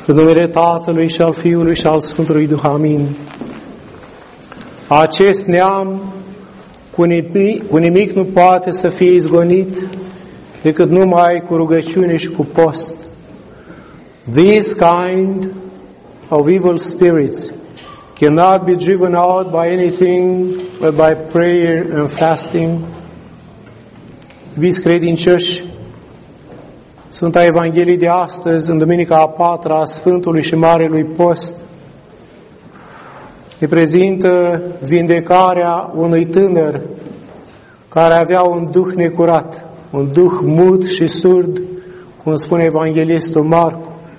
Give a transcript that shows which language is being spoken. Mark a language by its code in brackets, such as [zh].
[ro] În numele Tatălui și al Fiului și al Sfântului Duh, amin. Acest neam cu nimic nu poate să fie izgonit decât numai cu rugăciune și cu post. [en] This kind of evil spirits cannot be driven out by anything but by prayer and fasting. [ro] Iubiți credincioși, Sfânta Evanghelie de astăzi, în Duminica a patra a Sfântului și Marelui Post, ne prezintă vindecarea unui tânăr care avea un duh necurat, un duh mut și surd, cum spune Evanghelistul Marcu.